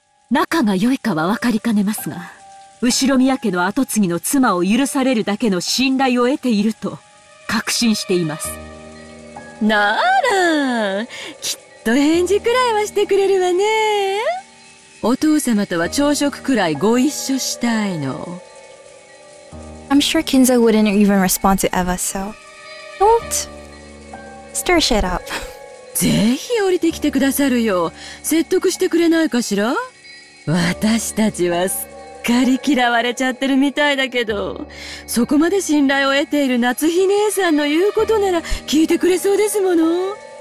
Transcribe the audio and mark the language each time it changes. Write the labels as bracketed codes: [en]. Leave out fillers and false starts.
[ja] 仲が良いかは分かりかねますが、後宮家の跡継ぎの妻を許されるだけの信頼を得ていると確信しています。なら、きっと返事くらいはしてくれるわね。お父様とは朝食くらいご一緒したいの。 [en] I'm sure Kinzo wouldn't even respond to Eva, so don't stir shit up. [ja] ぜひ降りてきてくださるよ。説得してくれないかしら。私たちはすっかり嫌われちゃってるみたいだけど、そこまで信頼を得ている夏日姉さんの言うことなら聞いてくれそうですもの。